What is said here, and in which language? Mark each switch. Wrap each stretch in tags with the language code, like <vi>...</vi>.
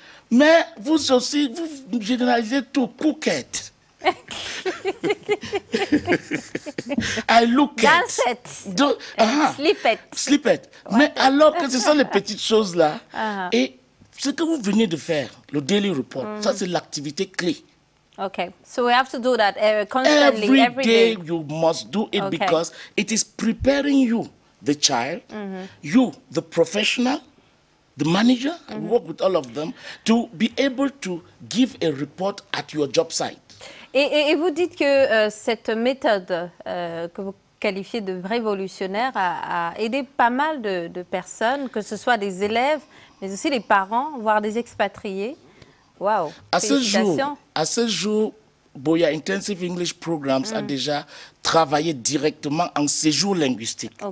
<fr>Mais vous aussi, vous généralisez tout, cookette.</fr> <en>I look at.</en> <fr>Dansette. Slipette. Slipette. Mais alors que ce sont les petites choses là. Et ce que vous venez de faire, le daily report, ça c'est l'activité clé.</fr> <en>OK. So we have to do that constantly. Every day you must do it because it is preparing you, the child, you, the professional, the manager, I work with all of them, to be able to give a report at your job site.</en> <fr>Et vous dites que cette méthode que vous qualifiez de révolutionnaire a aidé pas mal de personnes, que ce soit des élèves, mais aussi les parents, voire des expatriés. Waouh, À ce jour, Boya Intensive English Programs a déjà travaillé directement en séjour linguistique.</fr>